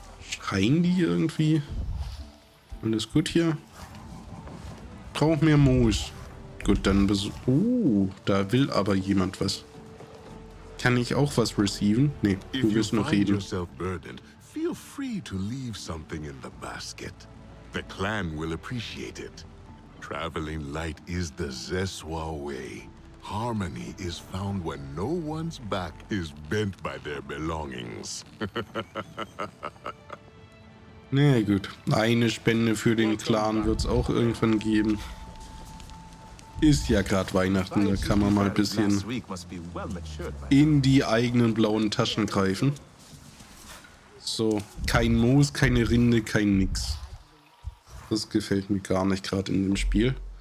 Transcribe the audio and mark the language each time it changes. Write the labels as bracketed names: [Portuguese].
[German] Schreien die irgendwie? Alles gut hier? Brauch mehr Moos. Gut, dann da will aber jemand was. Kann ich auch was receiven? Nee, du wirst noch reden. [English] Burdened, feel free to leave something in the basket. The clan will appreciate it. Traveling light is the Zeswa way. Harmony is found when no one's back is bent by their belongings. [German] Na ja, gut, eine Spende für den Clan wird's auch irgendwann geben. Ist ja gerade Weihnachten, da kann man mal ein bisschen in die eigenen blauen Taschen greifen. So, kein Moos, keine Rinde, kein Nix. Das gefällt mir gar nicht gerade in dem Spiel.